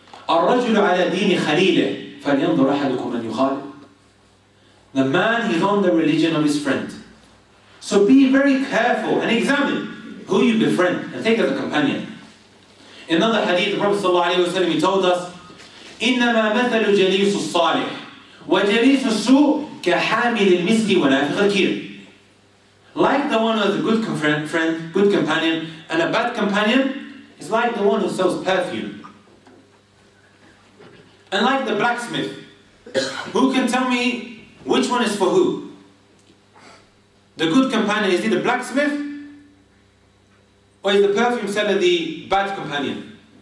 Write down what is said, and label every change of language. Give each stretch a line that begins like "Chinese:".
Arabic: الرجل على دين خليله فلينظر أحدكم أن يخالف.
English: The man is on the religion of his friend. So be very careful and examine who you befriend and take as a companion. In another hadith, the Prophet
Arabic: صلى الله عليه وسلم
English: told us,
Arabic: إنما مثل جليس الصالح وجليس السوء كحامل المسك ونافخ الكير.
English: Like the one who has a good friend, good companion, and a bad companion, is like the one who sells perfume. And like the blacksmith, who can tell me which one is for who? The good companion, is he the blacksmith? Or is the perfume seller the bad companion?